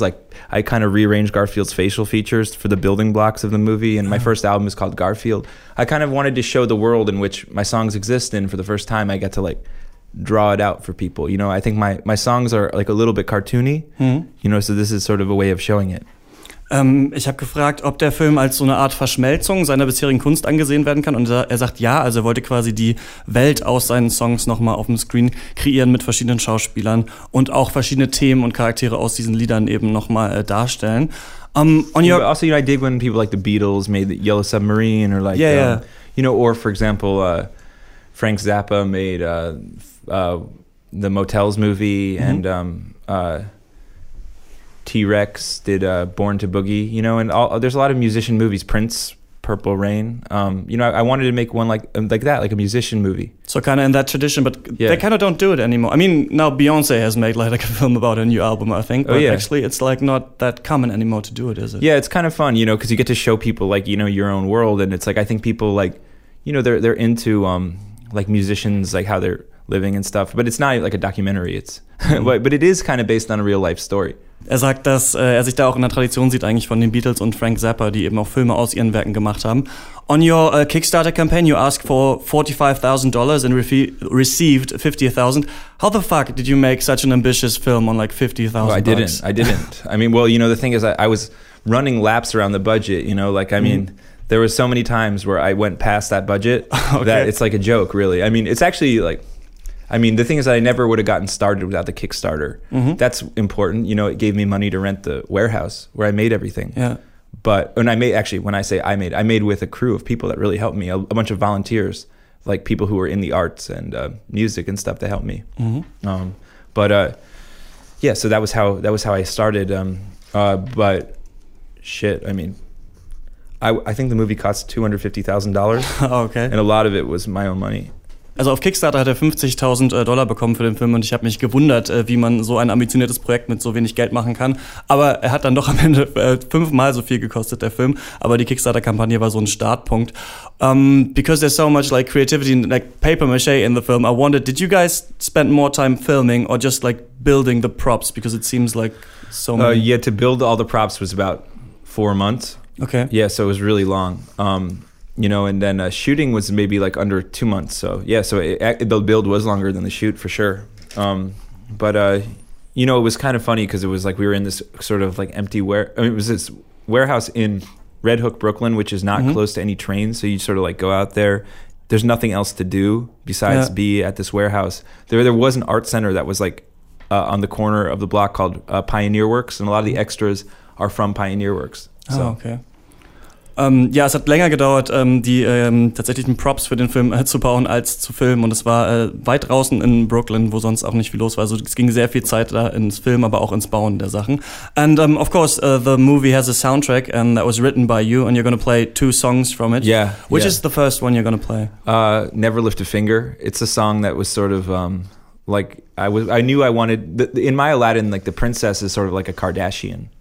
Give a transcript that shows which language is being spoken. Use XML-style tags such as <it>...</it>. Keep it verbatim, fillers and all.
<en>Like I kind of rearranged Garfield's facial features for the building blocks of the movie. And my first album is called Garfield. I kind of wanted to show the world in which my songs exist in for the first time. I get to like draw it out for people. You know, I think my, my songs are like a little bit cartoony, mhm. you know, so this is sort of a way of showing it.</en> <de>Ähm, ich habe gefragt, ob der Film als so eine Art Verschmelzung seiner bisherigen Kunst angesehen werden kann, und er sagt ja, also er wollte quasi die Welt aus seinen Songs nochmal auf dem Screen kreieren mit verschiedenen Schauspielern und auch verschiedene Themen und Charaktere aus diesen Liedern eben nochmal äh, darstellen.</de> <en>Um, on your also, you know, I dig when people like the Beatles made the Yellow Submarine, or like, yeah, yeah. Um, you know, or for example, uh, Frank Zappa made uh, uh, the Motels movie, mm-hmm. and um, uh, T-Rex did uh, Born to Boogie, you know, and all, there's a lot of musician movies, Prince, Purple Rain. Um, you know, I, I wanted to make one like like that, like a musician movie. So kind of in that tradition, but yeah. They kind of don't do it anymore. I mean, now Beyonce has made like, like a film about her new album, I think, but oh, yeah. actually it's like not that common anymore to do it, is it? Yeah, it's kind of fun, you know, because you get to show people like, you know, your own world, and it's like I think people like, you know, they're, they're into... Um, like musicians, like how their living and stuff. But it's not like a documentary. It's but, but it is kind of based on a real life story.</en> <de>Er sagt, dass äh, er sich da auch in der Tradition sieht eigentlich von den Beatles und Frank Zappa, die eben auch Filme aus ihren Werken gemacht haben.</de> <en>On your uh, Kickstarter campaign, you asked for forty-five thousand dollars and refi- received fifty thousand dollars. How the fuck did you make such an ambitious film on like fifty thousand dollars? Well, I didn't. I didn't. I mean, well, you know, the thing is, I, I was running laps around the budget, you know, like, I mean, mm. there were so many times where I went past that budget okay. that it's like a joke, really. I mean, it's actually like... I mean, the thing is that I never would have gotten started without the Kickstarter. Mm-hmm. That's important. You know, it gave me money to rent the warehouse where I made everything. Yeah. But, and I made, actually, when I say I made, I made with a crew of people that really helped me, a, a bunch of volunteers, like people who were in the arts and uh, music and stuff that helped me. Mm-hmm. Um, but, uh, yeah, so that was how, that was how I started. Um, uh, but, shit, I mean, I, I think the movie cost two hundred fifty thousand dollars. Okay. And a lot of it was my own money.</en> <de>Also auf Kickstarter hat er fünfzigtausend Dollar bekommen für den Film und ich habe mich gewundert, wie man so ein ambitioniertes Projekt mit so wenig Geld machen kann. Aber er hat dann doch am Ende fünfmal so viel gekostet, der Film. Aber die Kickstarter-Kampagne war so ein Startpunkt.</de> <en>Um, because there's so much like creativity and like papier-mâché in the film, I wondered, did you guys spend more time filming or just like building the props? Because it seems like so many... Uh, yeah, to build all the props was about four months. Okay. Yeah, so it was really long. Um... You know, and then uh, shooting was maybe like under two months. So yeah, so it, it, the build was longer than the shoot for sure. Um, but uh, you know, it was kind of funny because it was like we were in this sort of like empty ware. I mean, it was this warehouse in Red Hook, Brooklyn, which is not mm-hmm. close to any trains. So you sort of like go out there. There's nothing else to do besides yeah. be at this warehouse. There, there was an art center that was like uh, on the corner of the block called uh, Pioneer Works, and a lot of the extras are from Pioneer Works. So. Oh, okay.</en> <de>Ähm, ja, es hat länger gedauert, ähm, die ähm, tatsächlichen Props für den Film äh, zu bauen, als zu filmen. Und es war äh, weit draußen in Brooklyn, wo sonst auch nicht viel los war. Also es ging sehr viel Zeit da ins Filmen, aber auch ins Bauen der Sachen.</de> <en>And um, of course, uh, the movie has a soundtrack and that was written by you and you're going to play two songs from it. Yeah. Which yeah. is the first one you're going to play? Uh, Never Lift a Finger. It's a song that was sort of... Um Like I was, I knew I wanted the, in my Aladdin. Like the princess is sort of like a Kardashian.</en>